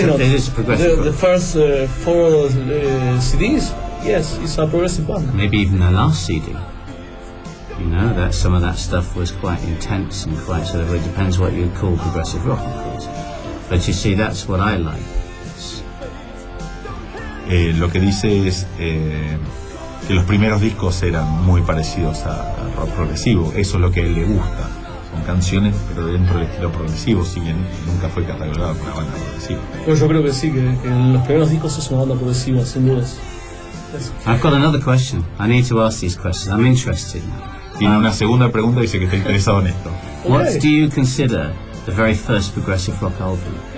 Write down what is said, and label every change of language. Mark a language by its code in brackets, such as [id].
[en] The first four CDs, yes, it's a progressive band. Maybe even the last CD. You know, that some of that stuff was quite intense and quite sort of, it depends what you call progressive rock, of course. But you see, that's what I like. [es] Lo que dice es que los primeros discos eran muy parecidos a rock progresivo. Eso es lo que a él le gusta. Son canciones, pero dentro del estilo progresivo, si bien nunca fue catalogado como una banda progresiva. Pues yo creo que sí, que en los primeros discos es una banda progresiva, sin dudas. [en] I've got another question. I need to ask these questions. I'm interested. [es] Tiene una segunda pregunta y dice que está interesado en esto. [en] What do you consider the very first progressive rock album?